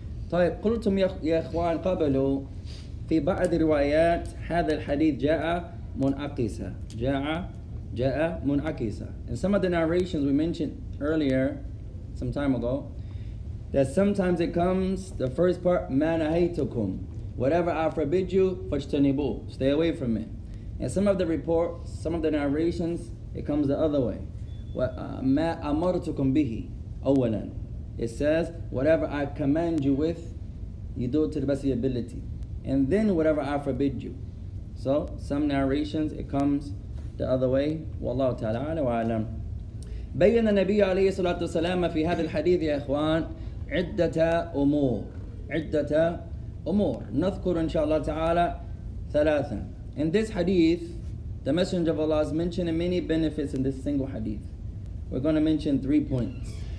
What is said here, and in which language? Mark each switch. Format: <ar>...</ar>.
<ar>طيب قلتم يا إخوان قبل في بعض الروايات هذا الحديث جاء منعكسا جاء منعكسا.</ar> <en>In some of the narrations we mentioned earlier, some time ago, that sometimes it comes the first part</en> <ar>ما نهيتكم,</ar> <en>whatever I forbid you</en> <ar>فاجتنبوا,</ar> <en>stay away from it. And some of the reports, some of the narrations, it comes the other way.</en> <ar>مَا أَمَرْتُكُمْ بِهِ أَوَّلًا.</ar> <en>It says, whatever I command you with, you do it to the best of your ability. And then whatever I forbid you. So, some narrations, it comes the other way.</en> <ar>وَاللَّهُ تَعَلَىٰ عَلَىٰ وَعَلَمْ. بَيَّنَ النَّبِيُّ عَلَيْهِ صَلَاةُ وَسَلَامَ فِي هَذِي الْحَدِيثِ يَا إِخْوَانِ عِدَّةَ أُمُورِ. عِدَّةَ أمور نذكر إن شاء الله تعالى ثلاثة.</ar> <en>In this hadith, the Messenger of Allah is mentioning many benefits in this single hadith. We're going to mention three points.</en>